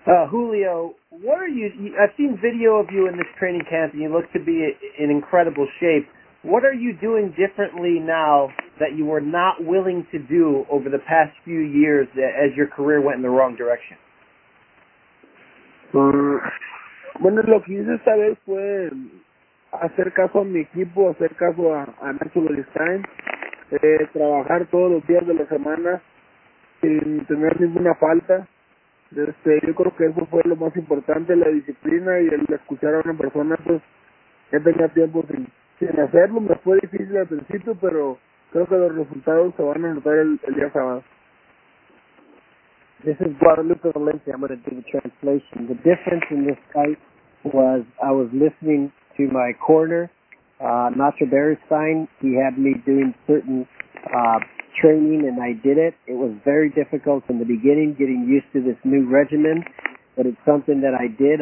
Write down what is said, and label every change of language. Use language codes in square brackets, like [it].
[en] Julio, what are you? I've seen video of you in this training camp, and you look to be in incredible shape. What are you doing differently now that you were not willing to do over the past few years as your career went in the wrong direction? [es] Bueno, lo que hice esta vez fue hacer caso a mi equipo, hacer caso a Nacho Beristain, trabajar todos los días de la semana sin tener ninguna falta. Yo creo que eso fue lo más importante, la disciplina y el escuchar a una persona, pues, que tenía tiempo sin hacerlo. Me fue difícil al principio, pero creo que los resultados se van a notar el día sábado. [en] This is Guadalupe Valencia. I'm going to do the translation. The difference in this fight was I was listening to my corner, Nacho Beristain. He had me doing certain training, and I did it. It was very difficult in the beginning, getting used to this new regimen, but it's something that I did.